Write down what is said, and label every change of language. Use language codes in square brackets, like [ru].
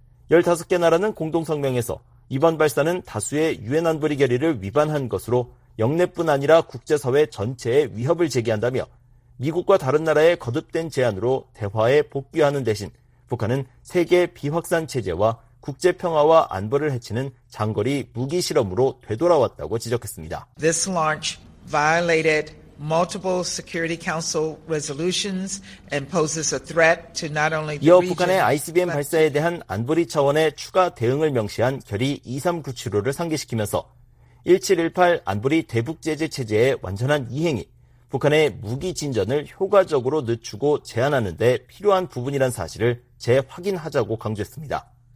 [ko] 15개 나라는 공동성명에서 이번 발사는 다수의 유엔 안보리 결의를 위반한 것으로 영내뿐 아니라 국제사회 전체에 위협을 제기한다며 미국과 다른 나라의 거듭된 제안으로 대화에 복귀하는 대신 북한은 세계 비확산 체제와 국제평화와 안보를 해치는 장거리 무기실험으로 되돌아왔다고 지적했습니다. [en] This launch violated multiple Security Council resolutions and poses a threat to not only the region. [ko] 이어 북한의 ICBM 발사에 대한 안보리 차원의 추가 대응을 명시한 결의 2397호를 상기시키면서 1718 안보리 대북제재 체제의 완전한 이행이 북한의 무기 진전을 효과적으로 늦추고 제한하는 데 필요한 부분이란 사실을 재확인하자고 강조했습니다.